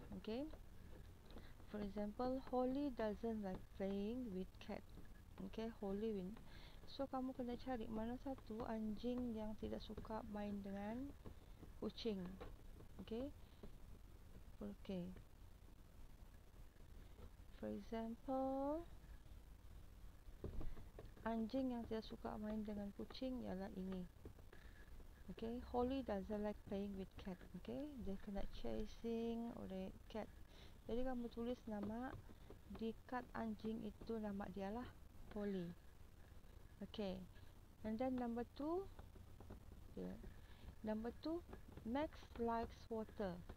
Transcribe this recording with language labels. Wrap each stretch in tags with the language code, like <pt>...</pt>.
<en>Okay, for example, Holly doesn't like playing with cat. Okay, Holly win.</en> <ms>So kamu kena cari mana satu anjing yang tidak suka main dengan kucing. Okay.</ms> <en>For example,</en> <ms>anjing yang tidak suka main dengan kucing ialah ini.</ms> <en>Okay, Holly doesn't like playing with cat. Okay,</en> <ms>dia kena chasing oleh cat. Jadi kamu tulis nama di kad anjing itu, nama dialah Holly.</ms> <en>Okay, and then number 2, number 2, Max likes water.</en>